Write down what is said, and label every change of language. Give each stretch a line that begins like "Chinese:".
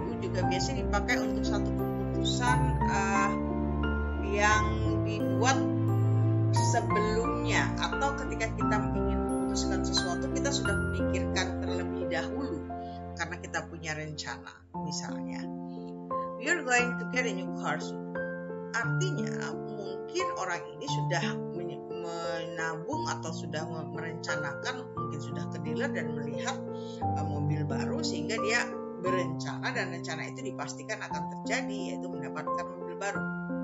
Indonesian: juga biasanya dipakai untuk satu keputusan yang dibuat sebelumnya, atau ketika kita ingin memutuskan sesuatu, kita sudah memikirkan terlebih dahulu karena kita punya rencana. Misalnya,
English: you're going to get a new car soon.
Indonesian: Artinya, mungkin orang ini sudah menabung atau sudah merencanakan, mungkin sudah ke dealer dan melihat mobil baru, sehingga dia berencana dan rencana itu dipastikan akan terjadi, yaitu mendapatkan mobil baru.